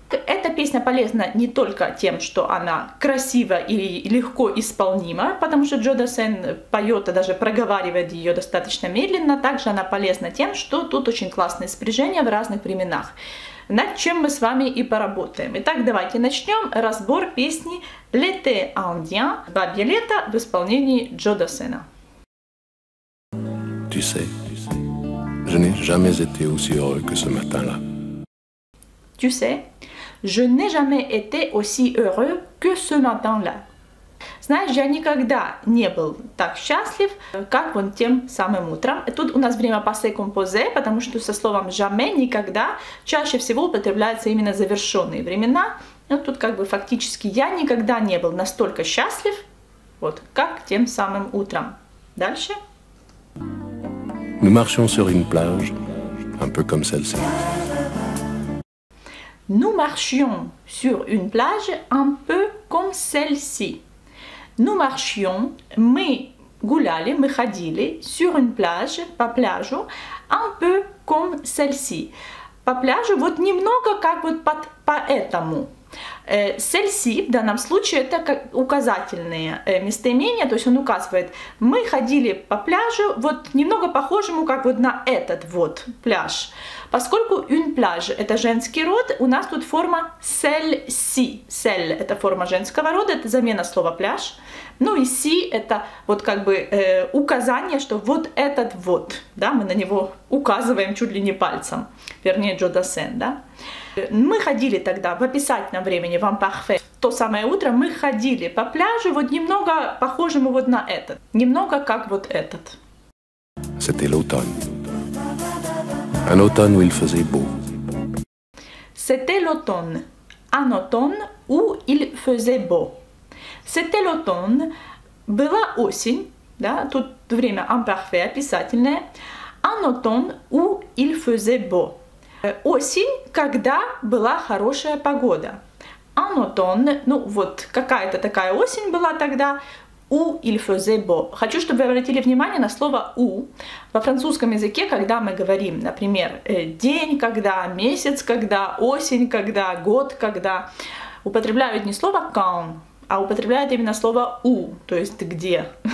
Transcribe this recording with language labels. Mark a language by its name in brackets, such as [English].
[Russian] Эта песня полезна не только тем, что она красива и легко исполнима, потому что Джо Дассен поет, а даже проговаривает ее достаточно медленно, также она полезна тем, что тут очень классное спряжение в разных временах. Над чем мы с вами и поработаем. Итак, давайте начнем разбор песни L'été Indien, бабье лето в исполнении Джо Дассена. [French] Tu sais, je n'ai jamais été aussi heureux que ce matin-là. Tu sais, je n'ai jamais été aussi heureux que ce matin-là. [Russian] Знаешь, я никогда не был так счастлив, как вон тем самым утром. Тут у нас время passé composé, потому что со словом jamais, никогда, чаще всего употребляются именно завершенные времена. Но тут как бы фактически я никогда не был настолько счастлив, вот, как тем самым утром. Дальше. [French] Nous marchions sur une plage, un peu comme celle-ci. Nous marchions sur une plage, un peu comme celle-ci. Nous marchions, [Russian] мы гуляли, мы ходили, [French] sur une plage, [Russian] по пляжу, [French] un peu comme celle-ci. [Russian] По пляжу, вот немного как вот под, по этому. Celle-ci, в данном случае, это как указательные местоимения, то есть он указывает, мы ходили по пляжу, вот немного похожему, как вот на этот вот пляж. Поскольку une plage – это женский род, у нас тут форма celle-ci. Celle – это форма женского рода, это замена слова пляж. Ну и si – это вот как бы указание, что вот этот вот, да, мы на него указываем чуть ли не пальцем, вернее Джо Дассен, да. Мы ходили тогда в описательном времени, в ампахфе, то самое утро, мы ходили по пляжу, вот немного похожему вот на этот. Немного как вот этот. [French] C'était l'automne. Un automne où il faisait beau. C'était l'automne. Un automne où il faisait beau. C'était l'automne. [Russian] Была осень, да, тут время ампахфе, описательное. [French] Un automne où il faisait beau. [Russian] Осень, когда была хорошая погода. [French] Un automne, [Russian] ну вот, какая-то такая осень была тогда. [French] Où il faisait beau. [Russian] Хочу, чтобы вы обратили внимание на слово «у». Во французском языке, когда мы говорим, например, день, когда, месяц, когда, осень, когда, год, когда, употребляют не слово «quand», а употребляют именно слово «у», то есть «где».